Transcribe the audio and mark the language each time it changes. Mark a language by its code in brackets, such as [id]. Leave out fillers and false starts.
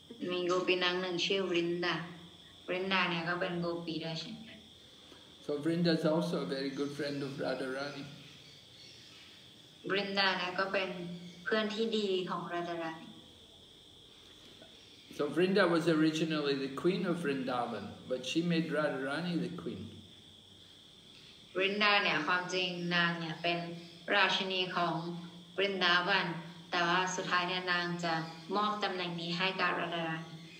[th] มีโกปีนางหนึ่งชื่อ Vrinda. Vrinda เนี่ยก็เป็นโกปีด้วยเช่นกัน [en] So Vrinda is also a very good friend of Radharani. [th] Vrinda เนี่ยก็เป็นเพื่อนที่ดีของ Radharani. [en] So Vrinda was originally the queen of Vrindavan, but she made Radharani the queen. [th] Vrinda เนี่ยความจริงนางเนี่ยเป็นราชินีของ Vrindavan, แต่ว่าสุดท้ายเนี่ยนางจะมอบตำแหน่งนี้ให้กับ Radharani.